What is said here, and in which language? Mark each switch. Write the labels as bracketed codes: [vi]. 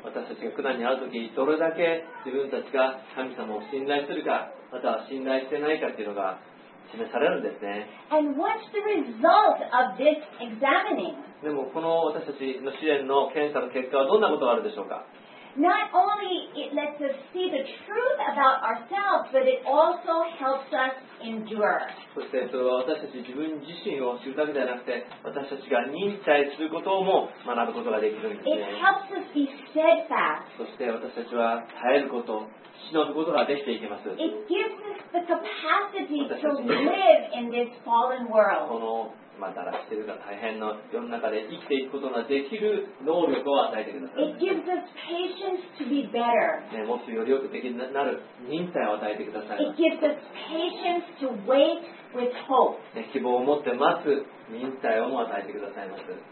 [ja] 私たちが苦難に遭うとき、どれだけ自分たちが神様を信頼するか、または信頼してないかというのが示されるんですね。 [en] And what's the result of this examining? [ja] でもこの私たちの試練の検査の結果はどんなことがあるでしょうか。 [en] Not only it lets us see the truth about ourselves, but it also helps us endure. [ja] そしてそれは私たち自分自身を知るだけではなくて、私たちが忍耐することも学ぶことができるんですね。 [en] It helps us be steadfast. [ja] そして私たちは耐えること、忍ぶことができていきます。 [en] It gives us the capacity to live in this fallen world. [ja] このまあ、だらしてるか大変な世の中で生きていくことができる能力を与えてください。 [en] It gives us patience to be better.、 [ja] ね、もっとより良くできるなる忍耐を与えてください。 [en] It gives us patience to wait with hope.、 [ja] ね、希望を持って待つ忍耐をも与えてくださいます。